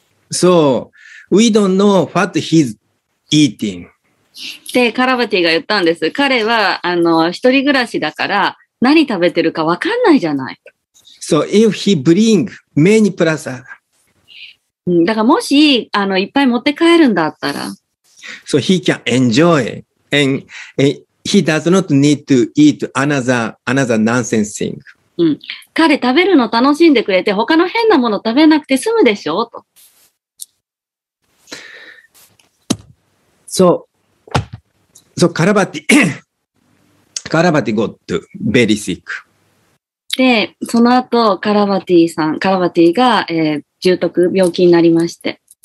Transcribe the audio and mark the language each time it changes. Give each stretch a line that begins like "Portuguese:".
English: So, we don't know what he's eating.
Japanese: で、カラバティが言ったんです。彼は、一人暮らしだから、何食べてるかわかんないじゃない。
English: So if he bring many prasa.
Japanese: だからもし、いっぱい持って帰るんだったら。
English: So he can enjoy and he does not need to eat another nonsense thing.
Japanese: 彼食べるの楽しんでくれて他の変なもの食べなくて済むでしょうと。
English: So Karabati, Karabati got very sick.
Japanese: で、その後、カラバティさん、カラバティが、重篤病気になりまして。